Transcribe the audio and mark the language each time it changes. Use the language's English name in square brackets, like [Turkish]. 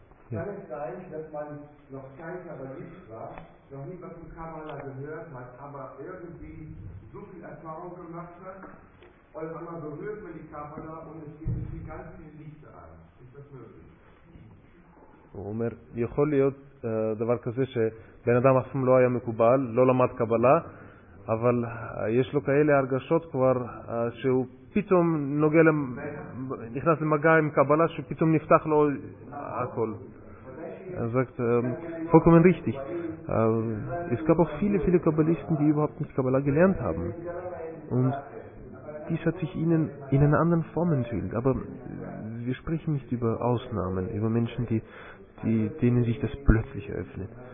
[German] Ja. Kann es sein, dass man noch kein Kabbalist war, noch nie was von Kabbala gehört hat, aber irgendwie so viel Erfahrung gemacht hat, und man berührt man die Kabbala und es geht sich ganz viel Licht an. Ist das möglich? [Hebrew] הוא אומר, יכול להיות דבר כזה שבן אדם אף פעם לא היה מקובל, לא למד קבלה, אבל יש לו כאלה הרגשות כבר שהוא פתאום נוגע נכנס למגע עם קבלה שפתאום נפתח לו הכל. [German] Er sagt, vollkommen richtig. Es gab auch viele Kabbalisten, die überhaupt nicht Kabbalah gelernt haben. Und dies hat sich ihnen in einer anderen Form entwickelt. Aber wir sprechen nicht über Ausnahmen, über Menschen, denen sich das plötzlich eröffnet.